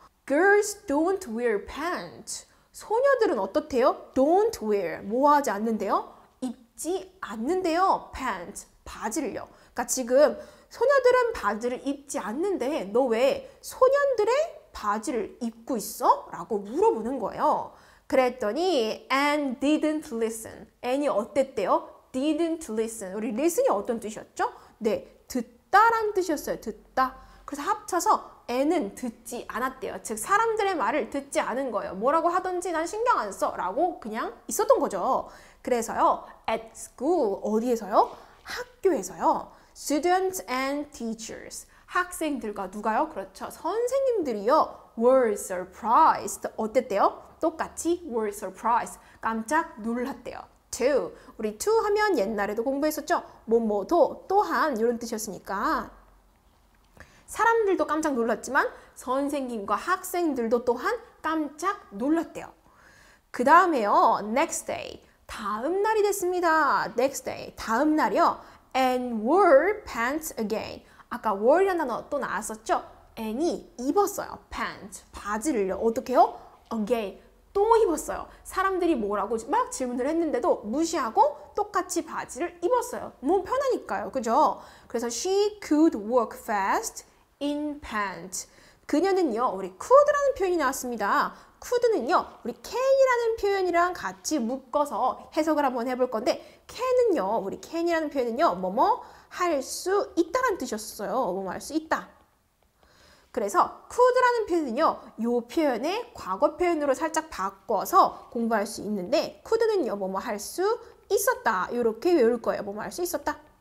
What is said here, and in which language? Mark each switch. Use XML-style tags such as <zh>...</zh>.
<en>girls don't wear pants.</en> <ko>소녀들은 어떻대요?</ko> <en>don't wear.</en> <ko>뭐 하지 않는데요? 입지 않는데요. pants, 바지를요. 그러니까 지금 소녀들은 바지를 입지 않는데 너 왜 소년들의 바지를 입고 있어? 라고 물어보는 거예요. 그랬더니</ko> <en>and didn't listen. and이</en> <ko>어땠대요?</ko> <en>didn't listen.</en> <ko>우리 listen이 어떤 뜻이었죠? 네, 듣다라는 뜻이었어요. 듣다. 그래서 합쳐서 and은 듣지 않았대요. 즉 사람들의 말을 듣지 않은 거예요. 뭐라고 하던지 난 신경 안 써 라고 그냥 있었던 거죠. 그래서요,</ko> <en>at school,</en> <ko>어디에서요? 학교에서요.</ko> <en>students and teachers,</en> <ko>학생들과 누가요? 그렇죠. 선생님들이요,</ko> <en>were surprised.</en> <ko>어땠대요? 똑같이</ko> <en>were surprised.</en> <ko>깜짝 놀랐대요. to, 우리 to 하면 옛날에도 공부했었죠. 뭐뭐도, 또한 이런 뜻이었으니까. 사람들도 깜짝 놀랐지만 선생님과 학생들도 또한 깜짝 놀랐대요. 그 다음에요,</ko> <en>next day.</en> <ko>다음 날이 됐습니다.</ko> <en>next day.</en> <ko>다음 날이요.</ko> <en>and wore pants again.</en> <ko>아까 wore이라는 단어 또 나왔었죠? and이 입었어요. pants. 바지를요. 어떻게요? again. 또 입었어요. 사람들이 뭐라고 막 질문을 했는데도 무시하고 똑같이 바지를 입었어요. 너무 편하니까요. 그죠? 그래서</ko> <en>she could walk fast in pants.</en> <ko>그녀는요, 우리 could라는 표현이 나왔습니다. could는요, 우리 can이라는 표현이랑 같이 묶어서 해석을 한번 해볼 건데 can은요, 우리 can이라는 표현은요, 뭐뭐 할 수 있다라는 뜻이었어요. 뭐뭐 할 수 있다. 그래서 could라는 표현은요, 요 표현의 과거 표현으로 살짝 바꿔서 공부할 수 있는데 could는요, 뭐뭐 할 수 있었다. 이렇게 외울 거예요. 뭐뭐 할 수 있었다.</ko>